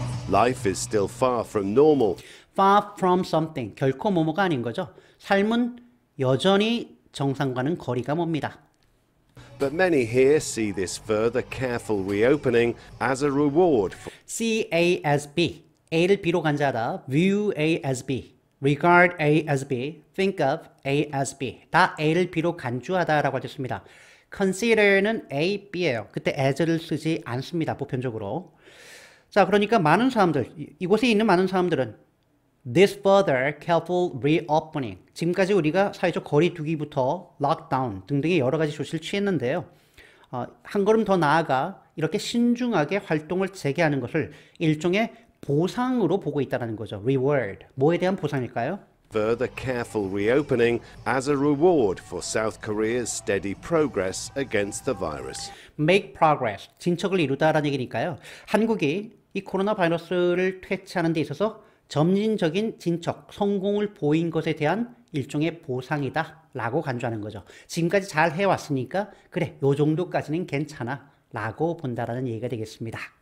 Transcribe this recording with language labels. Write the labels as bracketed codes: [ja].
[en] Life is still far from normal. Far from something. [ko] 결코 뭐뭐가 아닌 거죠. 삶은 여전히 정상과는 거리가 멉니다. [en] But many here see this further careful reopening as a reward. See A as B. [ko] A를 B로 간주하다. [en] View A as B. Regard A as B. Think of A as B. [ko] 다 A를 B로 간주하다 라고 하셨습니다. Consider는 A, B예요. 그때 as를 쓰지 않습니다. 보편적으로. 자, 그러니까 많은 사람들, 이곳에 있는 많은 사람들은 [en] This further careful reopening. [ko] 지금까지 우리가 사회적 거리 두기부터 lockdown 등등의 여러 가지 조치를 취했는데요. 한 걸음 더 나아가 이렇게 신중하게 활동을 재개하는 것을 일종의 보상으로 보고 있다는 거죠. Reward. 뭐에 대한 보상일까요? [en] Further careful reopening as a reward for South Korea's steady progress against the virus. Make progress. [ko] 진척을 이루다라는 얘기니까요. 한국이 이 코로나 바이러스를 퇴치하는 데 있어서 점진적인 진척, 성공을 보인 것에 대한 일종의 보상이다 라고 간주하는 거죠. 지금까지 잘 해왔으니까 그래, 요 정도까지는 괜찮아 라고 본다라는 얘기가 되겠습니다.